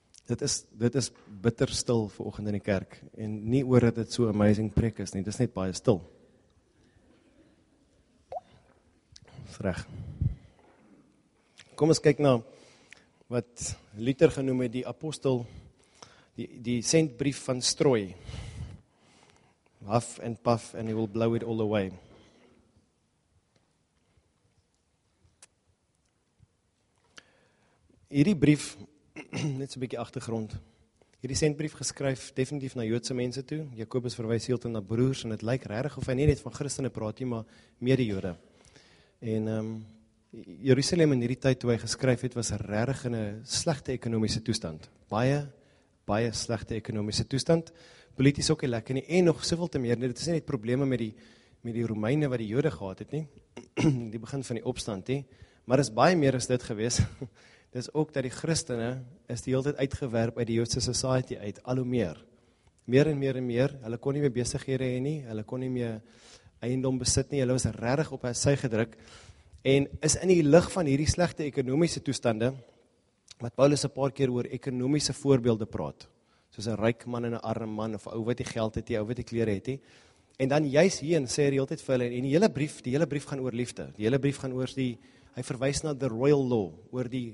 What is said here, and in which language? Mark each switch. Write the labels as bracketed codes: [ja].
[af] Dit is bitter stil vir oggend in die kerk, en nie oor dat dit so amazing preek is nie, dit is net baie stil. Dis reg. Kom ons kyk na wat Luther genoem het, die apostel, die sendbrief van strooi. [en] Huff and puff and he will blow it all away. [af] Hierdie brief, net so'n bietjie agtergrond. Hierdie sendbrief geskryf definitief na Joodse mense toe. Jakobus verwys heeltemal na broers en dit lyk regtig of hy nie net van Christene praat nie, maar meer die Jode. En Jerusalem in hierdie tyd toe hy geskryf het, was regtig in 'n slegte ekonomiese toestand. Baie, baie slegte ekonomiese toestand. Polities ook nie lekker nie, en nog soveel te meer. Dit is nie net probleme met die Romeine wat die Jode gehad het nie, die begin van die opstand nie, maar is baie meer as dit gewees. Dis ook dat die Christene is die hele tyd uitgewerp uit die Joodse society uit, al hoe meer. Meer en meer en meer, hulle kon nie meer besighede hê nie, hulle kon nie meer eiendom besit nie, hulle was regtig op hulle sy gedruk, en is in die lig van hierdie slegte ekonomiese toestande, wat Paulus 'n paar keer oor ekonomiese voorbeelde praat, soos 'n ryk man en 'n arm man, of 'n ou wat die geld het, die ou wat die klere het, en dan juist hierin sê hy altyd vir hulle, en die hele brief gaan oor liefde, die hele brief gaan oor die, hy verwys na [en] the royal law, [af] oor